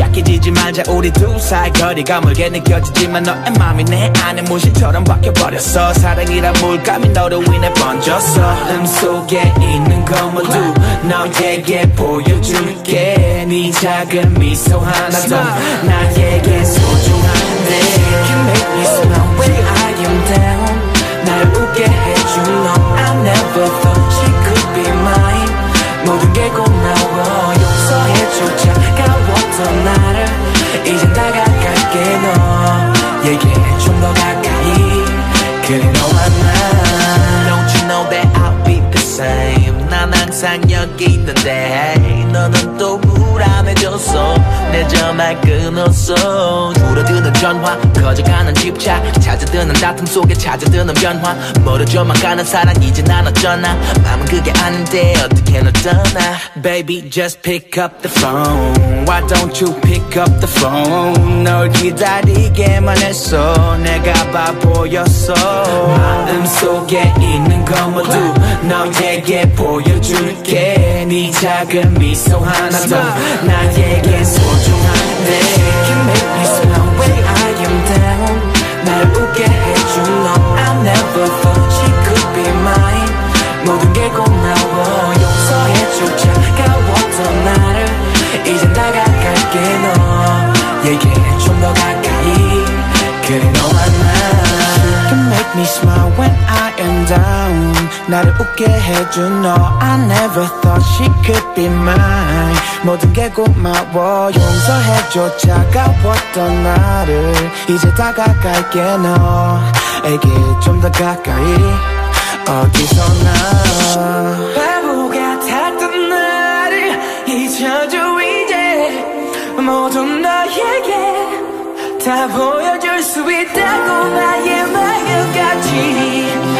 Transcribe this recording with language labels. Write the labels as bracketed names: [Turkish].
[Korean] 약해지지 말자 우리 두 사이 거리가 멀게 느껴지지만 너의 마음이 내 안에 문신처럼 바뀌어버렸어. 사랑이란 물감이 너를 위해 번졌어. 흐름 속에 있는 건 모두 너에게 보여줄게. 네 작은 미소 하나도 나에게 소중한데. [English] You can make me smile when I am down. [Korean] 날 웃게 해준 너. [English] I never thought she could be mine. [Korean] 모든 게 고마워. 차가웠던 나를 이제 다가갈게 너에게 좀 더 가까이 그리 너와 나. [English] Don't you know that I'll be the same. [Korean] 난 항상 여기 있는데 너는 또 불안해졌어. 내 전화 끊었어. 줄어드는 전화 커져가는 집착 찾아드는 다툼 속에 찾아드는 변화 멀어져만 가는 사랑 이제 난 어쩌나. 밤은 그게 아닌데 어떻게 널 떠나. [English] Baby just pick up the phone. Why don't you pick up the phone. [Korean] 널 기다리게만 했어. 내가 바보였어. 마음 속에 있는 건 모두 너에게 보여줄게. 네 작은 미소 하나도 나에게 소중한데. [English] You can make me smile when I am down. [Korean] 날 웃게 해준 너. [English] I never thought she could be mine. [Korean] 모든 게 고마워. 용서해줘. 차가웠던 나를 이제 다가갈게 너에게 좀 더 가까이 그리 너와 나. [English] Make me smile when I am down. [Korean] 나를 웃게 해준 너. [English] I never thought she could be mine. [Korean] 모든 게 고마워. 용서해줘. 차가웠던 나를 이제 다가갈게 너에게 좀 더 가까이 어디서나. 바보 같았던 나를 잊혀줘. 이제 모두 너에게 다 보여줄 수 있다고 나의 마음까지.